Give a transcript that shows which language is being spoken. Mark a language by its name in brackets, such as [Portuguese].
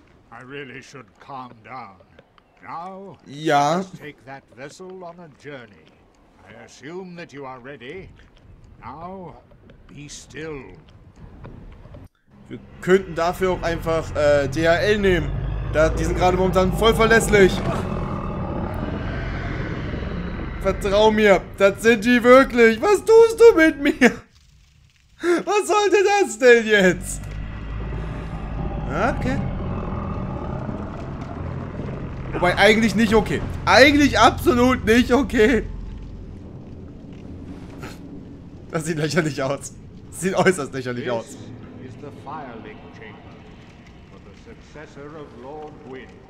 [English] I really should calm down. Now, [German] ja. [English] Take that vessel on a journey. I assume that you are ready. Now, be still. [German] Wir könnten dafür auch einfach DHL nehmen. Da, die sind gerade momentan voll verlässlich. Vertrau mir, das sind die wirklich. Was tust du mit mir? Was sollte das denn jetzt? Okay. Wobei, eigentlich nicht okay. Eigentlich absolut nicht okay. Das sieht lächerlich aus. Das sieht äußerst lächerlich aus. [English] This is the Firelink Chamber for the successor of Lord Gwyn.